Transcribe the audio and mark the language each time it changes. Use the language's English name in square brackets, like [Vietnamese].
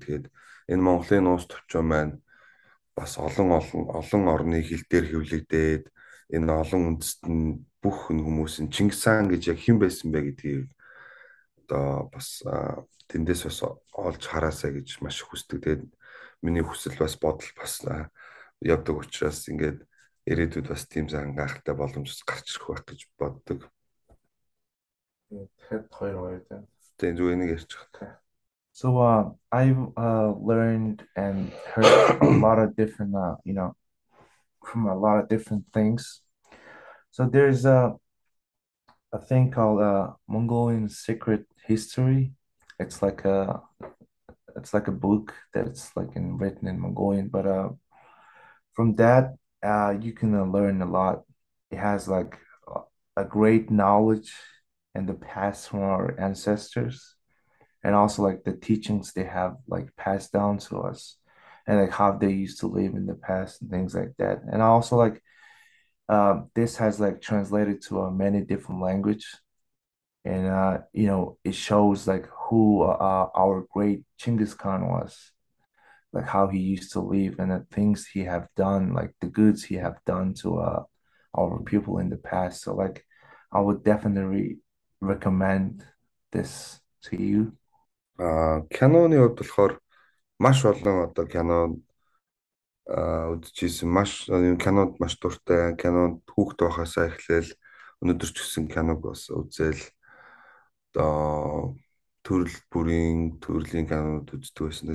[Mongolian] Тэгээд энэ Монголын нууц төвчөө маань бас олон орны хил дээр хэвлэгдээд, энэ олон үндэстэн бүх хүмүүс нь Чингис хаан гэж яг хэн байсан бэ гэдгийг одоо бас тэндээс бас олж хараасай гэж маш хүсдэг. Тэгээд миний хүсэл бас бодол бас явдаг учраас ингээд ирээдүйд бас тийм зан гахалтай боломж бас гарч ирэх байх гэж боддог. [English] Had quite a lot of [Mongolian] Тэгээд зүгээр нэг ярьчих. [English] So I've learned and heard a lot of different from a lot of different things. So there's a thing called Mongolian secret history. It's like a book that's like in written in Mongolian, but from that you can learn a lot. It has like a great knowledge and the past from our ancestors, and also like the teachings they have like passed down to us, and like how they used to live in the past and things like that. And also like this has like translated to many different language, and it shows like who our great Chinggis Khan was, like how he used to live and the things he have done, like the goods he have done to our people in the past. So like I would definitely recommend this to you. [Mongolian] Киноны хувьд болохоор маш олон одоо кино үзчихсэн, маш кинод маш дуртай, кинод хүүхдээ байхаасаа эхлээл өнөөдөр ч гэсэн киног бас үзэл одоо төрлийн кинод үздэг байсан.